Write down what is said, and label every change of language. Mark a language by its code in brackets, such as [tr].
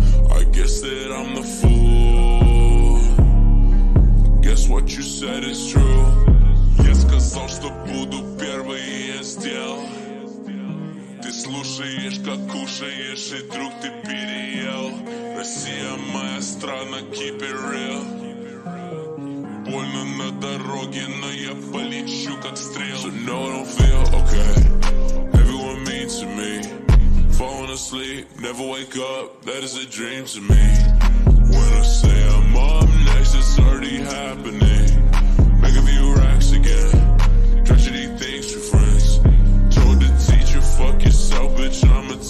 [en] I guess that I'm the fool. Guess what you said is true. [ru] Я сказал, что буду первый, я сделал. Ты слушаешь, как кушаешь, и вдруг ты переел. Россия моя страна, [en] keep it real. [ru] Больно на дороге, но я полечу, как стрел. [en] So no, don't feel okay. Everyone mean to me. Falling asleep, never wake up. That is a dream to me. When I say I'm up next, it's already happening. Make a few racks again. Tragedy thinks you're friends. Told the teacher, fuck yourself, bitch, I'm